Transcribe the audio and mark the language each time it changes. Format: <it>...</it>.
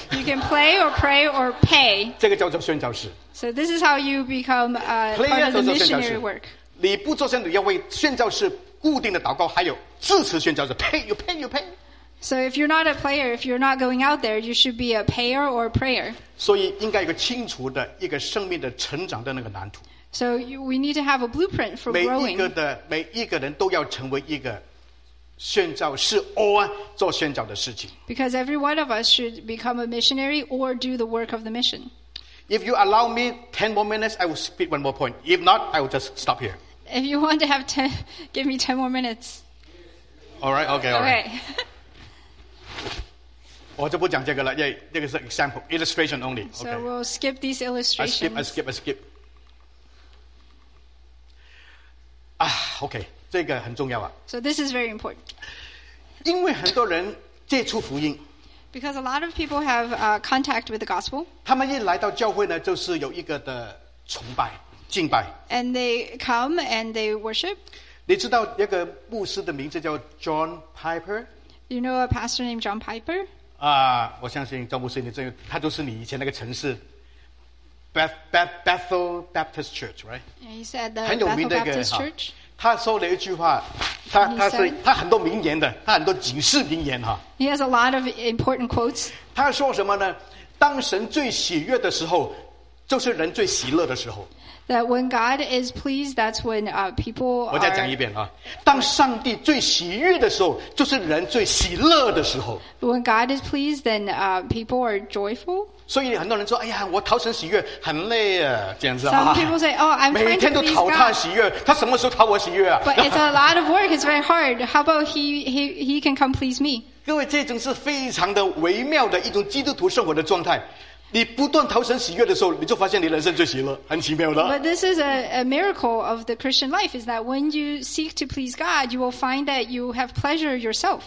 <en>You can play or pray or pay.</en> <zh>这个叫做宣教士。</zh> <en>So this is how you become a part of the missionary work.</en> <zh>你不做宣教士要为宣教士固定的祷告 还有支持宣教士,</zh> <en>pay, you pay, you pay. So if you're not a player, if you're not going out there, you should be a payer or a prayer.</en> <zh>所以应该有个清楚的一个生命的成长的那个蓝图。</zh> <en>So we need to have a blueprint for growing. Because every one of us should become a missionary or do the work of the mission. If you allow me 10 more minutes, I will speak one more point. If not, I will just stop here. If you want to have 10, give me 10 more minutes. All right, okay, all right.</en> <zh>我就不讲这个了, 这个是</zh> <en>example, illustration only. So we'll skip these illustrations. I skip.</en> <zh>啊,</zh> <en>okay.</en> <zh>这个很重要啊,</zh> <en>so this is very important.</en> <zh>因为很多人接触福音,</zh> <en>because a lot of people have contact with the gospel.</en> <zh>他们一来到教会呢, 就是有一个的崇拜, 敬拜,</zh> <en>and they come and they worship.</en> <zh>你知道一个牧师的名字叫 John Piper?</zh> <en>You know a pastor named John Piper?</en> <zh>我相信张牧师你真, 他就是你以前那个城市, Bethel Baptist Church,</zh> <en>right? He's at the Bethel Baptist Church.</en> <zh>他说了一句话, 他很多名言的, 他很多警示名言,</zh> <en>he has a lot of important quotes.</en> <zh>他说什么呢? 当神最喜悦的时候, 就是人最喜乐的时候。</zh> <en>That when God is pleased, that's when people are...</en> <zh>我再讲一遍, 当上帝最喜悦的时候, 就是人最喜乐的时候。</zh> <en>When God is pleased, then people are joyful.</en> <zh>所以很多人说, 哎呀, 我讨神喜悦, 很累啊, 这样子,</zh> <en>some people say, oh, I'm trying to please God.</en> <zh>他什么时候讨我喜悦啊?</zh> <en>But it's a lot of work, it's very hard. How about he can come please me?</en> <zh>各位, 这种是非常的微妙的一种基督徒生活的状态。你不断讨神喜悦的时候，你就发现你人生最喜乐， 很奇妙的。</zh> <en>But this is a miracle of the Christian life, is that when you seek to please God, you will find that you have pleasure yourself.</en>